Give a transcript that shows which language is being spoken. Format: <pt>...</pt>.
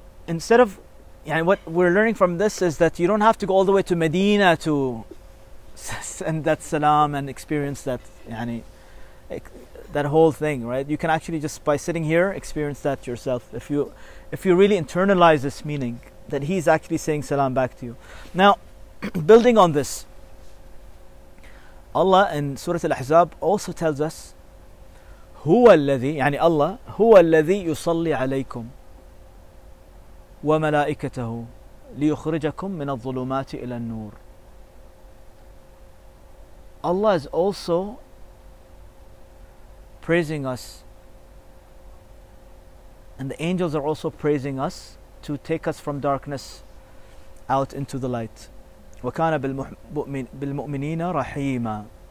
<en>What we're learning from this is that you don't have to go all the way to Medina to send that salam and experience that, yani, that whole thing, right? You can actually just by sitting here experience that yourself. If you really internalize this meaning, that he's actually saying salam back to you. Now, building on this, Allah in Surah Al-Ahzab also tells us,</en> <ar>هُوَ الَّذِي, يعني Allah, هُوَ الَّذِي يُصَلِّ عَلَيْكُمْ وَمَلَائِكَتَهُ لِيُخْرِجَكُمْ مِنَ الظُّلُمَاتِ إِلَى النُّورِ.</ar> <en>Allah is also praising us, and the angels are also praising us to take us from darkness out into the light.</en> <ar>وَكَانَ بِالْمُؤْمِنِينَ رَحِيمًا.</ar>